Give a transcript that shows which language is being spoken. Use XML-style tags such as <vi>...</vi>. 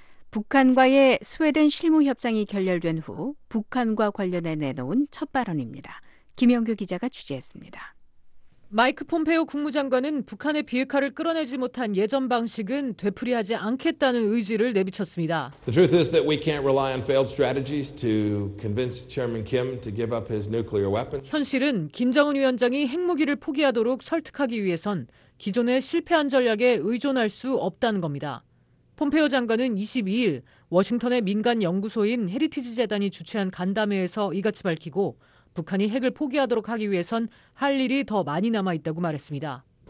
<ko>북한과의 스웨덴 실무협상이 결렬된 후 북한과 관련해 내놓은 첫 발언입니다. 김영규 기자가 취재했습니다. 마이크 폼페오 국무장관은 북한의 비핵화를 끌어내지 못한 예전 방식은 되풀이하지 않겠다는 의지를 내비쳤습니다.</ko> <en>The truth is that we can't rely on failed strategies to convince Chairman Kim to give up his nuclear weapon.</en> <ko>현실은 김정은 위원장이 핵무기를 포기하도록 설득하기 위해선 기존의 실패한 전략에 의존할 수 없다는 겁니다. 폼페오 장관은 22일 워싱턴의 민간 연구소인 헤리티지 재단이 주최한 간담회에서 이같이 밝히고 북한이 핵을 포기하도록 하기 위해선 할 일이 더 많이 남아있다고 말했습니다.</ko>